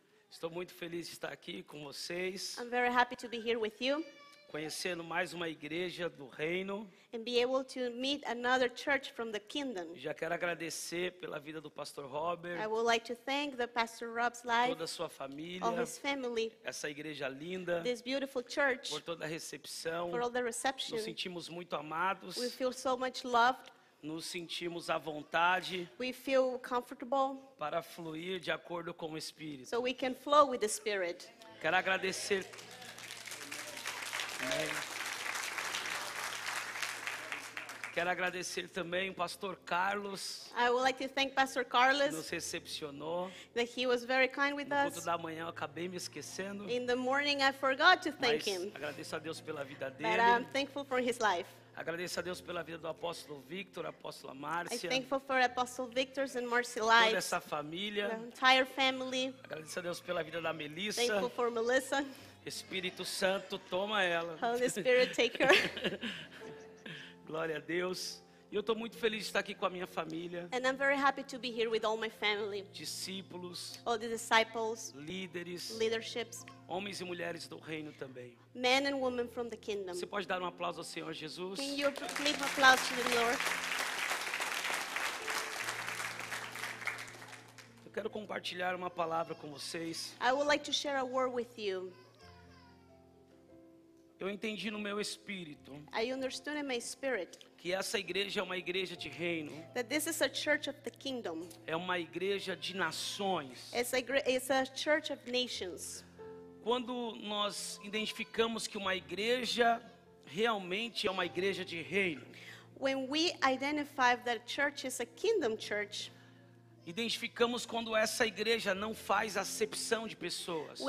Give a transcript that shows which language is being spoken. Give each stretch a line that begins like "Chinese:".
Portuguese: Estou muito feliz de estar aqui com vocês.
English: I'm very happy to be here with you.
Portuguese: Conhecendo mais uma igreja do reino.
English: And be able to meet another church from the kingdom.
Portuguese: Já quero agradecer pela vida do pastor Robert.
English: I would like to thank the pastor Rob's life.
Portuguese: Toda a sua família.
English: All his family.
Portuguese: Essa igreja linda.
English: This beautiful church.
Portuguese: Por toda a recepção.
English: For all the reception.
Portuguese: Nos sentimos muito amados.
English: We feel so much loved.
Portuguese: Nos sentimos à vontade.
English: We feel comfortable.
Portuguese: Para fluir de acordo com o Espírito.
English: So we can flow with the Spirit.
Portuguese: Quero agradecer. Quero agradecer também o pastor Carlos.
English: I would like to thank Pastor Carlos.
Portuguese: Nos recepcionou.
English: That he was very kind with us.
Portuguese: No culto da manhã eu acabei me esquecendo.
English: In the morning I forgot to thank him.
Portuguese: Mas agradeço a Deus pela vida dele.
English: But I'm thankful for his life.
Portuguese: Agradeço a Deus pela vida do apóstolo Victor, apóstola Márcia.
English: I'm thankful for Apostle Victor's and Marcy life.
Portuguese: Toda essa família.
English: The entire family.
Portuguese: Agradeço a Deus pela vida da Melissa.
English: Thankful for Melissa.
Portuguese: Espírito Santo, toma ela.
English: Holy Spirit, take her.
Portuguese: Glória a Deus. E eu estou muito feliz de estar aqui com a minha família.
English: And I'm very happy to be here with all my family.
Portuguese: Discípulos.
English: All the disciples.
Portuguese: Líderes.
English: Leaderships.
Portuguese: Homens e mulheres do reino também.
English: Men and women from the kingdom.
Portuguese: Você pode dar um aplauso ao Senhor Jesus?
English: Can you give an applause to the Lord?
Portuguese: Eu quero compartilhar uma palavra com vocês.
English: I would like to share a word with you.
Portuguese: Eu entendi no meu espírito.
English: I understood in my spirit.
Portuguese: Que essa igreja é uma igreja de reino.
English: That this is a church of the kingdom.
Portuguese: É uma igreja de nações.
English: It's a church of nations.
Portuguese: Quando nós identificamos que uma igreja realmente é uma igreja de reino.
English: When we identify that church is a kingdom church.
Portuguese: Identificamos quando essa igreja não faz acepção de pessoas.